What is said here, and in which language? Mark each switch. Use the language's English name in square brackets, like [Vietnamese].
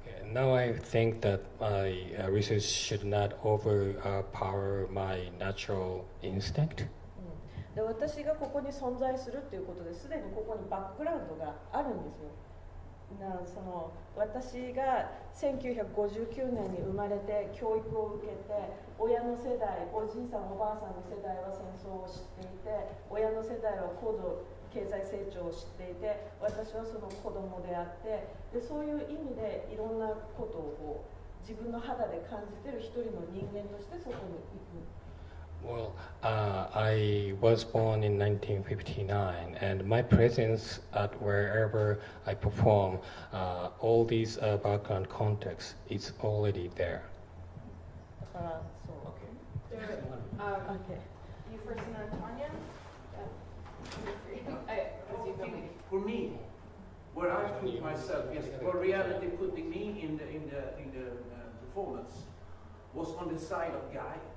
[English] Now I think that my research should not overpower my natural instinct. [Japanese] で、私がここに存在するっていうことで、すでにここにバックグラウンドがあるんですよ。な、その私が1959年に生まれて教育を受けて、親の世代、おじいさんおばあさんの世代は戦争を知っていて、親の世代は高度経済成長を知っていて、私はその子供であって、でそういう意味でいろんなことをこう自分の肌で感じている一人の人間としてそこに行く。 [English] Well, I was born in 1959, and my presence at wherever I perform, all these background contexts, it's already there. For me, where I put myself, yes, for reality, putting me in the performance was on the side of guy.